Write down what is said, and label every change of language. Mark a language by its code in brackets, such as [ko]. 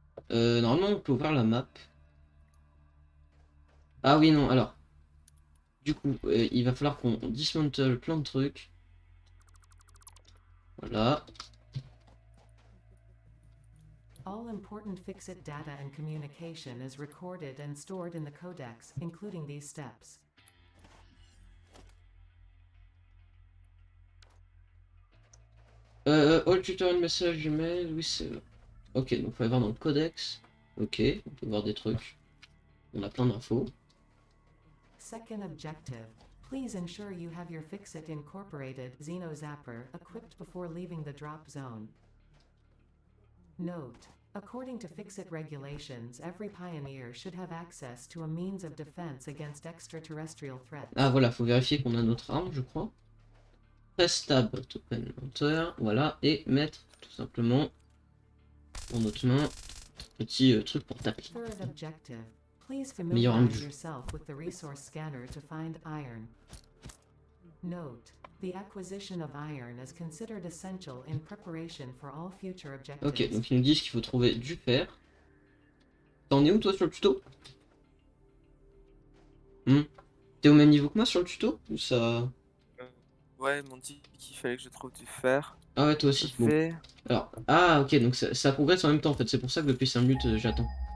[fr] Normalement, on peut ouvrir la map. Ah oui, non, alors. Du coup, il va falloir qu'on dismantle plein de trucs. Voilà. [en] All important fixit data and communication is recorded and stored in the codex, including these steps. All tutorial message email, [fr] oui c'est. Ok, donc faut aller voir dans le codex. Ok, on peut voir des trucs. On a plein d'infos. [en] Second objective. Please ensure you have your Fixit incorporated Xeno Zapper equipped before leaving the drop zone. Note: according to Fixit regulations, every pioneer should have access to a means of defense against extraterrestrial threats. [fr] Ah voilà, faut vérifier qu'on a notre arme, je crois. [en] Press tab to open hunter, [fr] voilà, et mettre tout simplement dans notre main petit truc pour taper. [en] Third objective. Please familiarize yourself with the resource scanner to find iron. Note: the acquisition of iron is considered essential in preparation for all future objectives. [fr] Ok, donc ils nous disent qu'il faut trouver du fer. T'en es où toi sur le tuto? T'es au même niveau que moi sur le tuto ou ça? Ouais, ils m'ont dit qu'il fallait que je trouve du fer. Ah ouais, toi aussi. Bon. Alors, ah ok, donc ça progresse en même temps en fait. C'est pour ça que depuis 5 minutes j'attends.